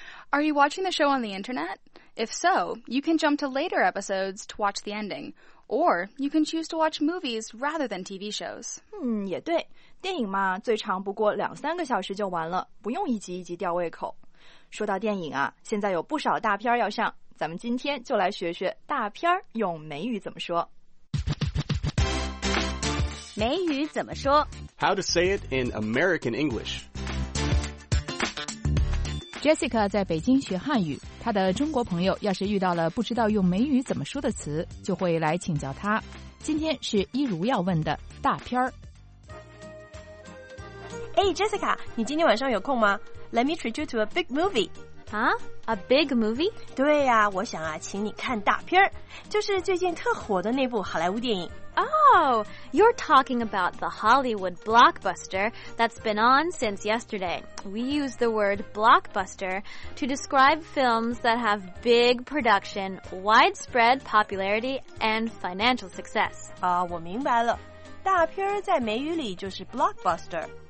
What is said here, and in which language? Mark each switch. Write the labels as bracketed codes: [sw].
[en] Are you watching the show on the internet? If so, you can jump to later episodes to watch the ending, or you can choose to watch movies rather than TV shows. [zh] 也对，电影嘛，最长不过两三个小时就完了，不用一集一集吊胃口。说到电影啊，现在有不少大片要上，咱们今天就来学学大片用美语怎么说。美语怎么说 [en] ？How to say it in American English? [zh] Jessica 在北京学汉语，她的中国朋友要是遇到了不知道用美语怎么说的词，就会来请教她。今天是一如要问的大片。 Hey, Jessica, 你今天晚上有空吗？ [en] Let me treat you to a big movie. A big movie? [zh] 对呀、啊，我想啊，请你看大片儿，就是最近特火的那部好莱坞电影。 [en] Oh, you're talking about the Hollywood blockbuster that's been on since yesterday. We use the word blockbuster to describe films that have big production, widespread popularity, and financial success. [zh] 啊、我明白了，大片儿在美语里就是 blockbuster.